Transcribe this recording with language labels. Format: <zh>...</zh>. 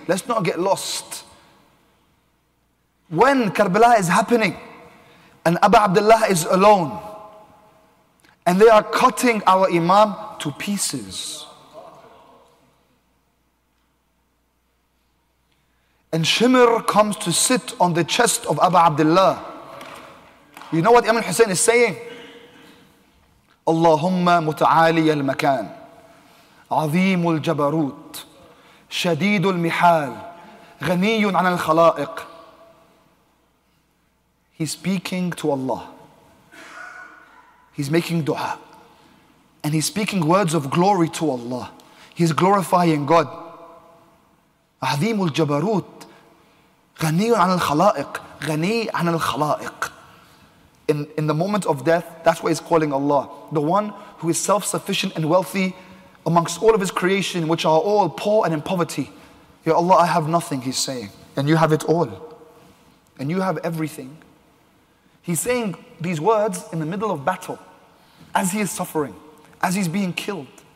<en>Let's not get lost. When Karbala is happening, and Abu Abdullah is alone, and they are cutting our imam to pieces, and Shimr comes to sit on the chest of Abu Abdullah, you know what Imam al-Hussein is saying?</en> <ar>Allahumma muta'ali al-makan. عظيم الجبروت شديد المحال غني عن الخلائق.</ar> <en>He's speaking to Allah. He's making dua. And he's speaking words of glory to Allah. He's glorifying God.</en> <ar>عظيم الجبروت غني عن الخلائق غني عن الخلائق.</ar> <en>In the moment of death, that's why he's calling Allah. The one who is self-sufficient and wealthy amongst all of his creation, which are all poor and in poverty. Ya Allah, I have nothing, he's saying. And you have it all. And you have everything. He's saying these words in the middle of battle, as he is suffering, as he's being killed.</en>